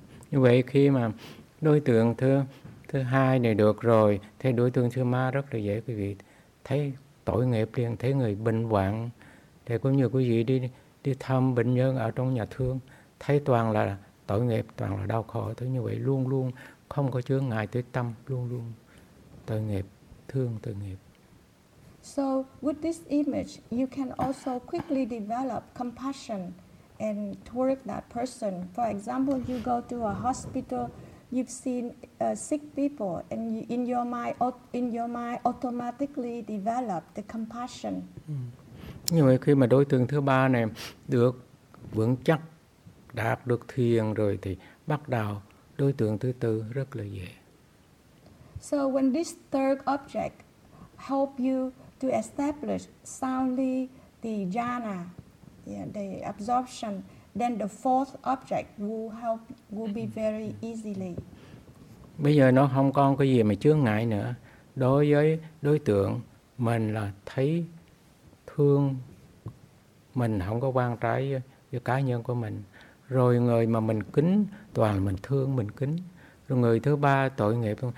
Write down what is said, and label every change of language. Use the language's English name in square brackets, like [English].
[Vietnamese] Như vậy khi mà đối tượng thứ hai này được rồi, thì đối tượng thứ ba rất là dễ quý vị thấy tội nghiệp liền, thấy người bệnh hoạn, thì cũng như quý vị đi thăm bệnh nhân ở trong nhà thương, thấy toàn là tội nghiệp, toàn là đau khổ, thứ như vậy luôn luôn không có chướng ngại tới tâm, luôn luôn tội nghiệp, thương tội nghiệp. [English] So with this image, you can also quickly develop compassion and toward that person. For example, you go to a hospital, you've seen sick people, and you, in your mind, automatically develop the compassion. [Vietnamese] Như vậy khi mà đối tượng thứ ba này được vững chắc, đạt được thiền rồi thì bắt đầu đối tượng thứ tư rất là dễ. [English] So when this third object help you to establish soundly the jhana, yeah, the absorption, then the fourth object will be very easily. [Vietnamese] Bây giờ nó không còn cái gì mà chướng ngại nữa. Đối với đối tượng mình là thấy thương, mình không có quan trái với cá nhân của mình. Rồi người mà mình kính toàn mình thương, mình kính. Rồi người thứ ba tội nghiệp.